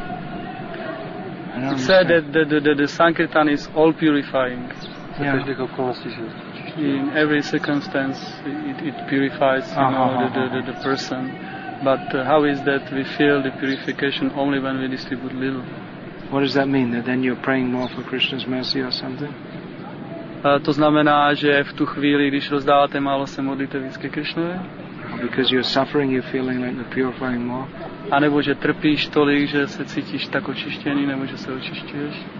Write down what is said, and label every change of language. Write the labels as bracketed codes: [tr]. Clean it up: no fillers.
[en] You said that the Sankirtan is all purifying. Yeah. In every circumstance it purifies, you know, the person. But how is that we feel the purification only when we distribute little? What does that mean? That then you're praying more for Krishna's mercy or something? [cs] To znamená, že v tu chvíli, když rozdáváte málo, se modlíte víc ke Krishnovi? [en] Because you're suffering, you're feeling like you're purifying more? [cs] A nebo že trpíš tolik, že se cítíš tak očištěný, nebo že se očišťuješ?